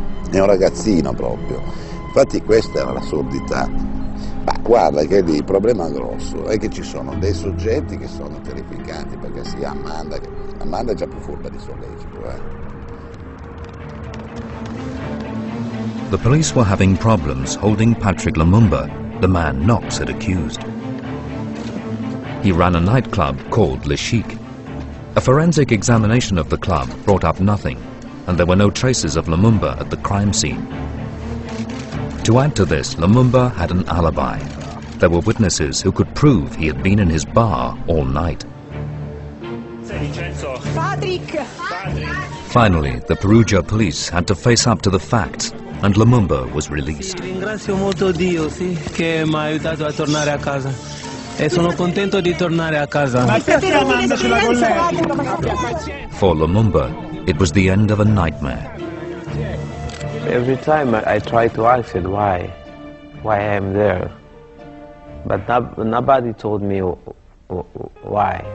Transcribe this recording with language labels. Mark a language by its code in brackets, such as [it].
[it] È un ragazzino proprio. Infatti questa era l'assurdità. Ma guarda che lì il problema grosso è che ci sono dei soggetti che sono terrificanti, perché sì, Amanda è già più furba di Sollecito, eh. [en] The police were having problems holding Patrick Lumumba, the man Knox had accused. He ran a nightclub called Le Chic. A forensic examination of the club brought up nothing, and there were no traces of Lumumba at the crime scene. To add to this, Lumumba had an alibi. There were witnesses who could prove he had been in his bar all night. Patrick! Finally, the Perugia police had to face up to the facts, and Lumumba was released. [it] Ringrazio molto Dio, sì, che mi ha aiutato a tornare a casa. E sono contento di tornare a casa. [en] For Lumumba, it was the end of a nightmare. Every time I try to ask it why I am there, but nobody told me why.